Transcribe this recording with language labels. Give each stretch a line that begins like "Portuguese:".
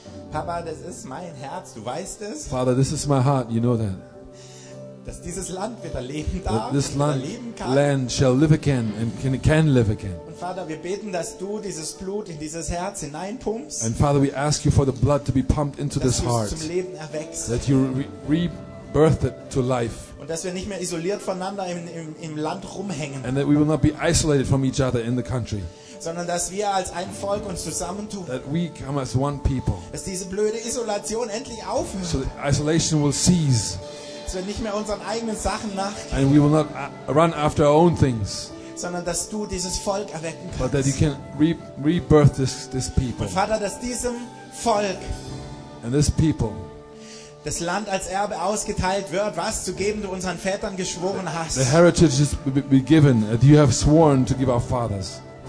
German: Papa, das ist mein Herz, du weißt es.
English: Father, this is my heart, you know that.
German: Dass dieses Land wieder leben darf,
English: this
German: wieder leben kann.
English: Land shall live again and can live again.
German: Und Vater, wir beten, dass du dieses Blut in dieses Herz hineinpumpst.
English: And Father, we ask you for the blood to be pumped into this heart.
German: Dass du es zum Leben erwächst.
English: That you rebirth it to life.
German: Und dass wir nicht mehr isoliert voneinander im Land rumhängen.
English: And that we will not be isolated from each other in the country.
German: Sondern dass wir als ein Volk uns zusammentun.
English: That we come as one people.
German: Dass diese blöde Isolation endlich aufhört.
English: So isolation will cease.
German: Dass wir nicht mehr unseren eigenen Sachen nachgehen.
English: And we will not run after our own things.
German: Sondern dass du dieses Volk erwecken kannst.
English: But that you can rebirth this people.
German: Und Vater, dass diesem Volk.
English: And this people.
German: Das Land als Erbe ausgeteilt wird, was zu geben du unseren Vätern geschworen hast.
English: The heritage is be given that you have sworn to give our fathers.